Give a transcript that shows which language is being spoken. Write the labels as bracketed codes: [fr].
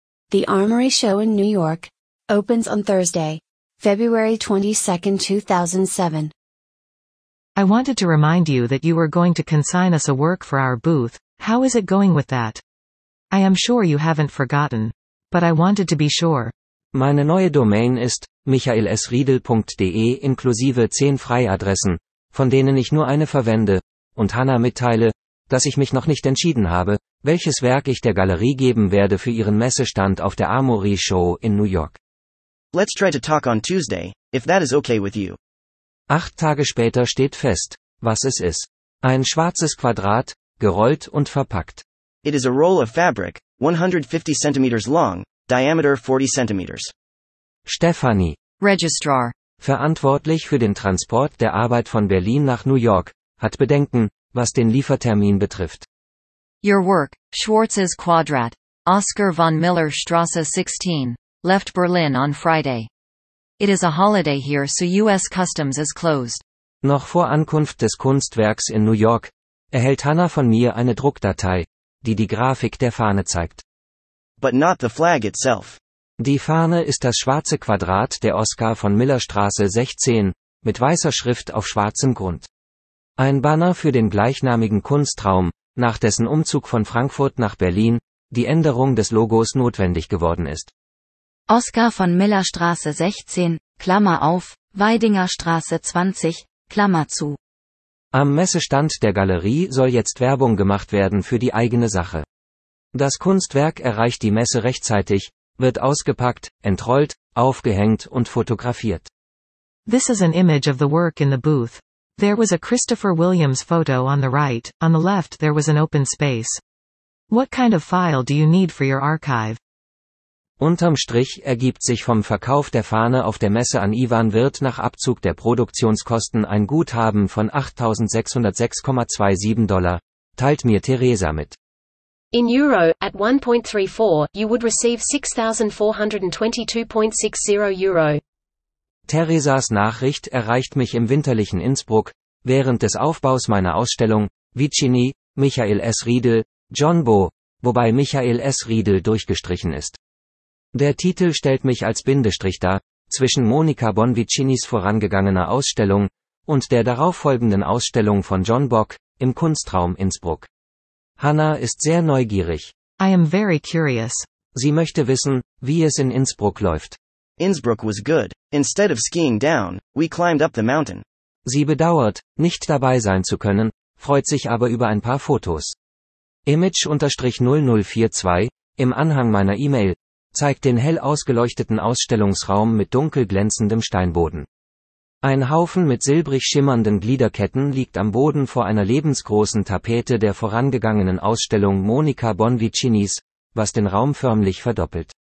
[en] The Armory Show in New York opens on Thursday, February 22, 2007. I wanted to remind you that you were going to consign us a work for our booth. How is it going with that? I am sure you haven't forgotten, but I wanted to be sure. [de] Meine neue Domain ist michaelsriedel.de inklusive 10 Freiadressen, von denen ich nur eine verwende, und Hannah mitteile, dass ich mich noch nicht entschieden habe, welches Werk ich der Galerie geben werde für ihren Messestand auf der Armory Show in New York. [en] Let's try to talk on Tuesday, if that is okay with you. [de] 8 Tage später steht fest, was es ist. Ein schwarzes Quadrat, gerollt und verpackt. [en] It is a roll of fabric, 150 centimeters long, diameter 40 centimeters. [de] Stephanie, Registrar, verantwortlich für den Transport der Arbeit von Berlin nach New York, hat Bedenken, was den Liefertermin betrifft. [en] Your work, Schwarzes Quadrat, Oscar von Miller Straße 16, left Berlin on Friday. It is a holiday here, so US Customs is closed. [de] Noch vor Ankunft des Kunstwerks in New York, erhält Hannah von mir eine Druckdatei, die die Grafik der Fahne zeigt. [en] But not the flag itself. [de] Die Fahne ist das schwarze Quadrat der Oscar von Miller Straße 16, mit weißer Schrift auf schwarzem Grund. Ein Banner für den gleichnamigen Kunstraum, nach dessen Umzug von Frankfurt nach Berlin, die Änderung des Logos notwendig geworden ist. Oscar von Miller Straße 16, Klammer auf, Weidinger Straße 20, Klammer zu. Am Messestand der Galerie soll jetzt Werbung gemacht werden für die eigene Sache. Das Kunstwerk erreicht die Messe rechtzeitig, wird ausgepackt, entrollt, aufgehängt und fotografiert. [en] This is an image of the work in the booth. There was a Christopher Williams photo on the left there was an open space. What kind of file do you need for your archive? [de] Unterm Strich ergibt sich vom Verkauf der Fahne auf der Messe an Ivan Wirth nach Abzug der Produktionskosten ein Guthaben von $8,606.27, teilt mir Theresa mit. [en] In Euro, at 1.34, you would receive 6,422.60 Euro. [de] Theresas Nachricht erreicht mich im winterlichen Innsbruck, während des Aufbaus meiner Ausstellung, Vicini, Michael S. Riedel, John Boe, wobei Michael S. Riedel durchgestrichen ist. Der Titel stellt mich als Bindestrich dar, zwischen Monica Bonvicinis vorangegangener Ausstellung und der darauffolgenden Ausstellung von John Bock im Kunstraum Innsbruck. Hannah ist sehr neugierig. [en] I am very curious. [de] Sie möchte wissen, wie es in Innsbruck läuft. [en] Innsbruck was good. Instead of skiing down, we climbed up the mountain. [de] Sie bedauert, nicht dabei sein zu können, freut sich aber über ein paar Fotos. Image-0042, im Anhang meiner E-Mail, zeigt den hell ausgeleuchteten Ausstellungsraum mit dunkel glänzendem Steinboden. Ein Haufen mit silbrig schimmernden Gliederketten liegt am Boden vor einer lebensgroßen Tapete der vorangegangenen Ausstellung Monica Bonvicinis, was den Raum förmlich verdoppelt.